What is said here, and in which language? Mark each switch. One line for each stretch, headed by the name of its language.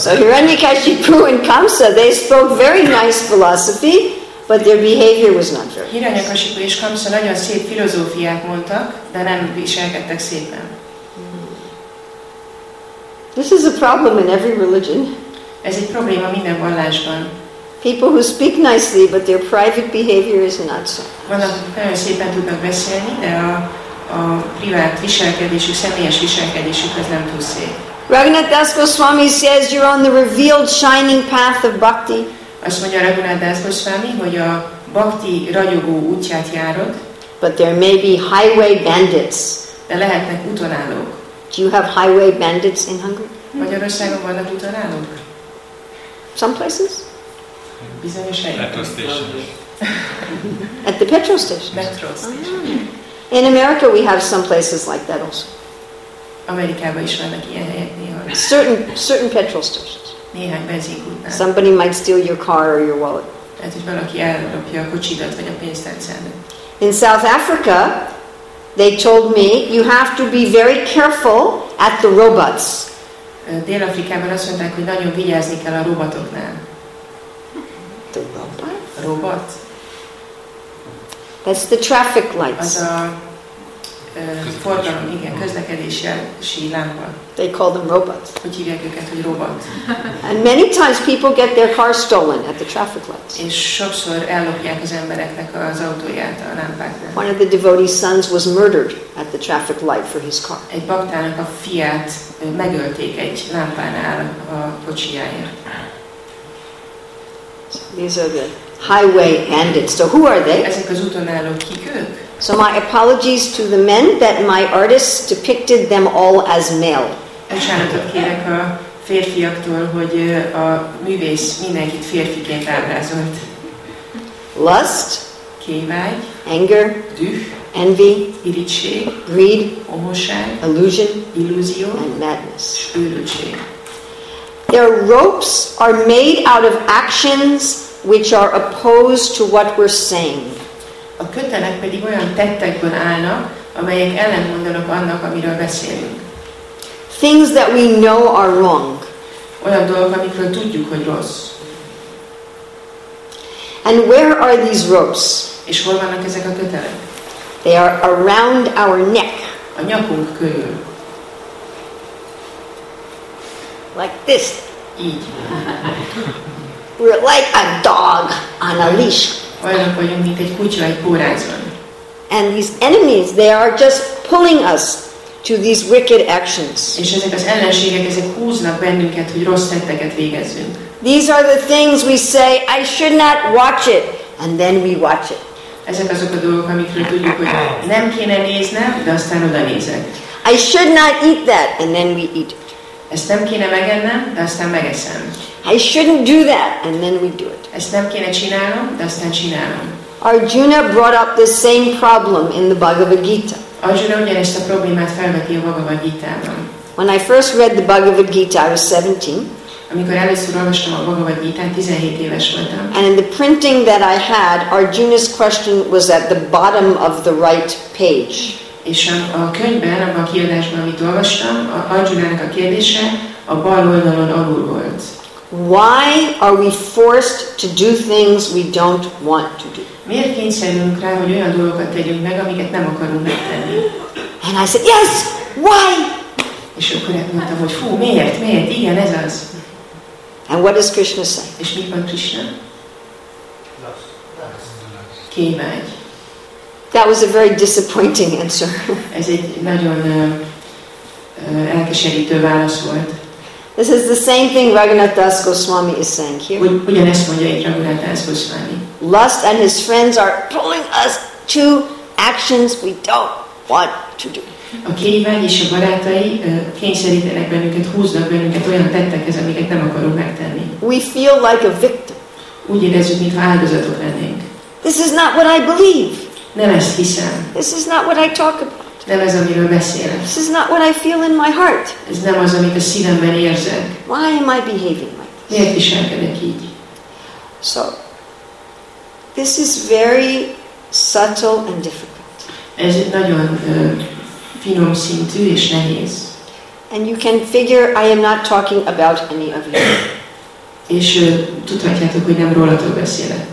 English: So Hiranyakashipu and Kamsa, they spoke very nice philosophy, but their behavior was not very nice.
Hungarian: Hiranyakashipu és Kamsa nagyon szép filozófiát mondtak, de nem viselkedtek szépen.
English: This is a problem in every religion.
Hungarian: Ez egy probléma minden vallásban.
English: People who speak nicely, but their private behavior is not so.
Hungarian: Vannak, nagyon szépen tudnak beszélni, de a privát viselkedésük, személyes viselkedésük az nem túl szép.
English: Raghunath Das Goswami says you're on the revealed shining path of bhakti.
Hungarian: Azt mondja Raghunath Das Goswami, hogy a bhakti ragyogó útját járod.
English: But there may be highway bandits.
Hungarian: De lehetnek utonállók.
English: Do you have highway bandits in Hungary?
Hungarian: Magyarországon vannak utonállók?
English: Some places?
Hungarian: Bizonyos helyen.
English: At the petrol station. Metro station. In America we have some places like that also.
Hungarian: Amerikában is vannak ilyen helyek néha.
English: Certain petrol stations.
Hungarian: Néhány benzinkútnál.
English: Somebody might steal your car or your wallet.
Hungarian: Tehát, hogy valaki ellopja a kocsidat vagy a pénztárcádat.
English: In South Africa, they told me, you have to be very careful at the robots.
Hungarian: Dél-Afrikában azt mondták, hogy nagyon vigyázni kell a robotoknál.
English: The robot?
Hungarian: Robot.
English: That's the traffic lights.
Hungarian: Az a forgalom, igen, közlekedési lámpa.
English: They call them robots.
Hungarian: Úgy hívják őket, hogy robot.
English: And many times people get their car stolen at the traffic lights.
Hungarian: És sokszor ellopják az embereknek az autóját a lámpáknál.
English: One of the devotee's sons was murdered at the traffic light for his car.
Hungarian: Egy baktának a fiát megölték egy lámpánál a kocsijáért.
English: These are the highway bandits. So who are they?
Hungarian: Ezek az utonállók, kik ők?
English: So my apologies to the men that my artists depicted them all as male.
Hungarian: Bocsánatot kérek a férfiaktól, hogy a művész mindenkit férfiként ábrázolt.
English: Lust.
Hungarian: Kévágy.
English: Anger.
Hungarian: Düh.
English: Envy.
Hungarian: Irigység.
English: Greed.
Hungarian: Omosság.
English: Illusion.
Hungarian: Illusió.
English: And madness.
Hungarian: Őrültség.
English: Their ropes are made out of actions which are opposed to what we're saying.
Hungarian: A kötelek pedig olyan tettekből állnak, amelyek ellentmondanak annak, amiről beszélünk.
English: Things that we know are wrong.
Hungarian: Olyan dolgok, amikről tudjuk, hogy rossz.
English: And where are these ropes?
Hungarian: És hol vannak ezek a kötelek?
English: They are around our neck.
Hungarian: A nyakunk körül.
English: Like this.
Hungarian: Így.
English: We're like a dog on a leash.
Hungarian: Olyanok vagyunk, mint egy kutya egy kórházban.
English: And these enemies, they are just pulling us to these wicked actions.
Hungarian: És ezek az ellenségek, ezek húznak bennünket, hogy rossz tetteket végezzünk.
English: These are the things we say, I should not watch it, and then we watch it.
Hungarian: Ezek azok a dolgok, amikről tudjuk, hogy nem kéne néznem, de aztán oda nézek.
English: I should not eat that, and then we eat it.
Hungarian: Ezt nem kéne megennem, de aztán megeszem.
English: I shouldn't do that, and then we do it.
Hungarian: Ezt nem kéne csinálnom, de aztán csinálom.
English: Arjuna brought up the same problem in the Bhagavad Gita.
Hungarian: Arjuna ugyanezt a problémát felveti a Bhagavad Gita-ban.
English: When I first read the Bhagavad Gita, I was 17.
Hungarian: Amikor először olvastam a Bhagavad Gita-t, 17 éves voltam.
English: And in the printing that I had, Arjuna's question was at the bottom of the right page.
Hungarian: És a könyvben, abban a kiadásban, amit olvastam, Arjuna-nak a kérdése a bal oldalon alul volt.
English: Why are we forced to do things we don't want to do?
Hungarian: Miért kényszerülünk rá, hogy olyan dolgokat tegyünk meg, amiket nem akarunk megtenni?
English: And I said, yes, why?
Hungarian: És akkor mondtam, hogy fú, miért, miért, igen, ez az.
English: And what does Krishna say?
Hungarian: És mit mond Krishna? Kémágy.
English: That was a very disappointing answer.
Hungarian: Ez egy nagyon elkeserítő válasz volt.
English: This is the same thing Raghunath Das Goswami is saying here.
Hungarian: Ugyanezt mondja itt Raghunath Das Goswami.
English: Lust and his friends are pulling us to actions we don't want to do.
Hungarian: A kémágy és a barátai kényszerítenek bennünket, húznak bennünket olyan tettekhez, amiket nem akarunk megtenni.
English: We feel like a victim.
Hungarian: Úgy érezzük, mintha áldozatok lennénk.
English: This is not what I believe.
Hungarian: Nem ezt hiszem.
English: This is not what I talk about.
Hungarian: Nem ez, amiről beszélek.
English: This is not what I feel in my heart.
Hungarian: Ez nem az, amit a szívemben érzek.
English: Why am I behaving like this?
Hungarian: Miért viselkedek így?
English: So, this is very subtle and difficult.
Hungarian: Ez egy nagyon finom szintű és nehéz.
English: And you can figure I am not talking about any of you.
Hungarian: És tudhatjátok, hogy nem rólatok beszélek.